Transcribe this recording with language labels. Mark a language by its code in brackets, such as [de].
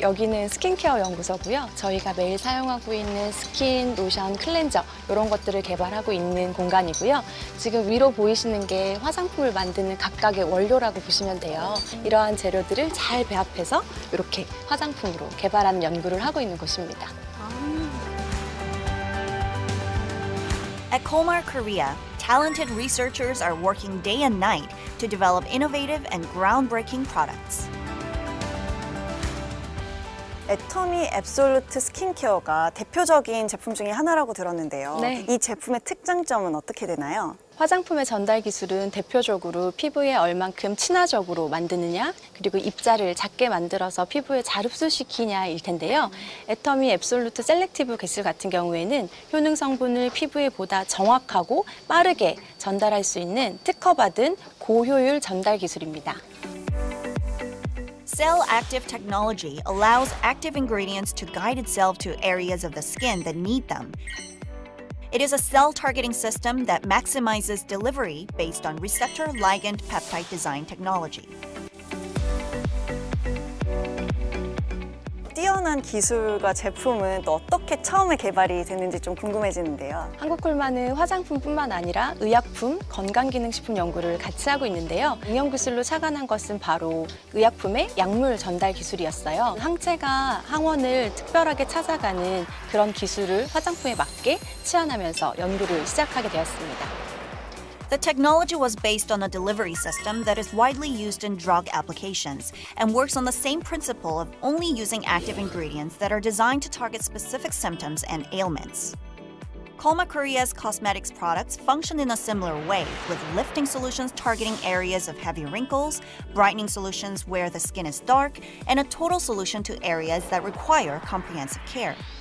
[ko] 여기는 스킨케어 연구소고요. 저희가 매일 사용하고 있는 스킨, 로션, 클렌저 이런 것들을 개발하고 있는 공간이고요. 지금 위로 보이시는 게 화장품을 만드는 각각의 원료라고 보시면 돼요. 이러한 재료들을 잘 배합해서 이렇게 화장품으로 개발하는 연구를 하고 있는 곳입니다. [en] At KOLMAR Korea, talented researchers are working day and night to develop innovative and groundbreaking products. [ko] Atomy Absolute Skin Care가 대표적인 제품 중에 하나라고 들었는데요. 네. 이 제품의 특장점은 어떻게 되나요? 화장품의 전달 기술은 대표적으로 피부에 얼만큼 친화적으로 만드느냐, 그리고 입자를 작게 만들어서 피부에 잘 흡수시키냐일 텐데요. 애터미 앱솔루트 셀렉티브 기술 같은 경우에는 효능 성분을 피부에 보다 정확하고 빠르게 전달할 수 있는 특허받은 고효율 전달 기술입니다. [en] Cell active technology allows active ingredients to guide itself to areas of the skin that need them. It is a cell targeting system that maximizes delivery based on receptor ligand peptide design technology. [ko] 뛰어난 기술과 제품은 또 어떻게 처음에 개발이 됐는지 좀 궁금해지는데요. 한국 콜마는 화장품뿐만 아니라 의약품, 건강기능식품 연구를 같이 하고 있는데요. 응용기술로 착안한 것은 바로 의약품의 약물 전달 기술이었어요. 항체가 항원을 특별하게 찾아가는 그런 기술을 화장품에 맞게 치환하면서 연구를 시작하게 되었습니다. [en] The technology was based on a delivery system that is widely used in drug applications and works on the same principle of only using active ingredients that are designed to target specific symptoms and ailments. KOLMAR Korea's cosmetics products function in a similar way, with lifting solutions targeting areas of heavy wrinkles, brightening solutions where the skin is dark, and a total solution to areas that require comprehensive care.